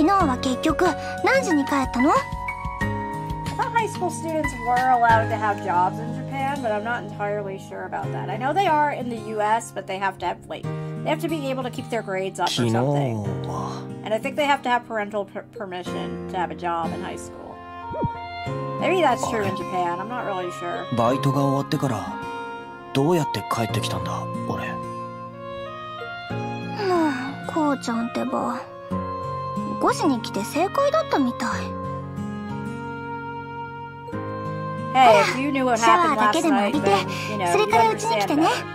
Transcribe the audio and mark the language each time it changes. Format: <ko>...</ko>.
<ja>制服のままベッドに入るなんて、さすがにだらしなさすぎるよ。制服って。あ。また夜遅くまでアルバイトしてたんでしょう。高校生で深夜まで働くなんて、本当はいけないんだからね。昨日は結局何時に帰ったの?</ja> <en>I thought high school students were allowed to have jobs in Japan, but I'm not entirely sure about that. I know they are in the US, but they have to have, like, they have to be able to keep their grades up or something. And I think they have to have parental permission to have a job in high school. Maybe that's true in Japan, I'm not really sure.</en> <ja>バイトが終わってからどうやって帰ってきたんだ、俺? こうちゃんってば。 5時に来て正解だったみたい。</ja> <en>Hey, if you knew what happened last night, then, you know, you understand that.</en>